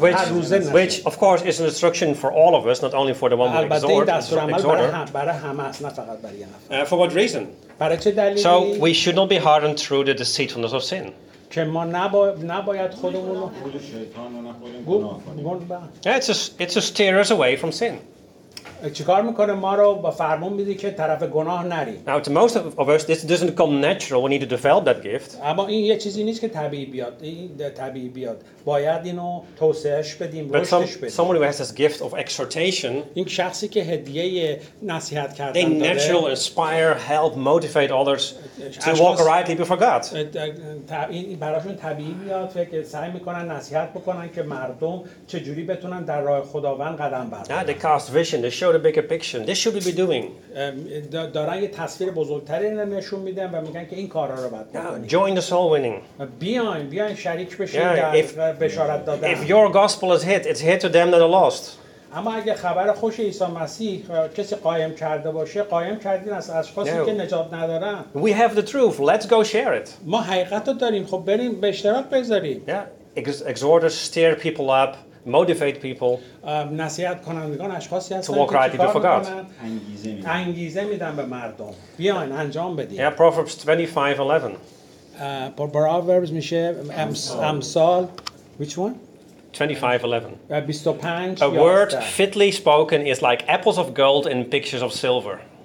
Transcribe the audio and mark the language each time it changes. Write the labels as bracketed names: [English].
[Persian] روزه [English] which of course is an instruction for all of us, not only for the one who exhorts. [Persian] البته دستور عمل برای همه است، نه فقط برای یه نفر. [English] For what reason? [Persian] برای چه دلیلی؟ [English] So we should not be hardened through the deceitfulness of sin. [Persian] که ما نباید خودمون رو خود شیطان رو نخوریم گناه کنیم. [English] It's a steer us away from sin. [Persian] چیکار میکنه ما رو با فرمون میده که طرف گناه نری. [English] Now to most of us this doesn't come natural. We need to develop that gift. [Persian] اما این یه چیزی نیست که طبیعی بیاد. این طبیعی بیاد. باید اینو توسعهش بدیم، رشدش بدیم. [English] But someone who has this gift of exhortation. [Persian] این شخصی که هدیه نصیحت کردن داره. [English] They naturally inspire, help, motivate others to walk rightly before God. [Persian] این براشون طبیعی میاد که سعی میکنن نصیحت بکنن که مردم چجوری بتونن در راه خداوند قدم بردارن. [English] Now they cast vision. Show the bigger picture. This should we be doing. [Persian] دارن یه تصویر بزرگتری نشون میدن و میگن که این کارا رو باید بکنی. [English] Join the soul winning. [Persian] بیاین شریک بشین در بشارت دادن. [English] If your gospel is hit, it's hit to them that are lost. [Persian] اما اگه خبر خوش عیسی مسیح کسی قایم کرده باشه، قایم کردین از اشخاصی که نجات ندارن. [English] We have the truth. Let's go share it. [Persian] ما حقیقت رو داریم، خب بریم به اشتراک بذاریم. [English] Exhort us, steer people up. Motivate people [Persian] نصیحت کنندگان اشخاصی هستند [English] to walk right before God. [Persian] انگیزه میدن به مردم بیاین انجام بدید. [English] Yeah, Proverbs 25:11. Proverbs [Persian] میشه امثال [English] which one? 25:11. 25. A word fitly spoken is like apples of gold and pictures of silver.